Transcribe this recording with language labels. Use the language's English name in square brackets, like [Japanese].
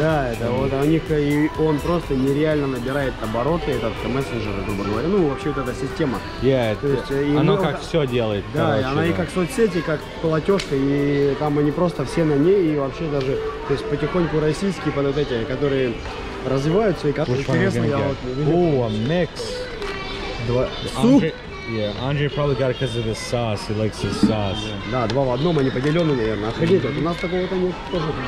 [Russian] да, это вот у них, и он просто нереально набирает обороты, этот мессенджер, грубо говоря. Ну, вообще, вот эта система. Yeah, то есть, и оно много, как все делает. Да, и она, да, и как соцсети, как платежка, и там они просто все на ней, и вообще даже, то есть потихоньку российские под вот эти, которые развиваются, и как интересно, я вот видел. О, микс. Суп. [English] Yeah, Andre probably got it because of the sauce. He likes his sauce. [Russian] Да, два в одном, они поделены, наверное. Охренеть, у нас такого-то нет тоже.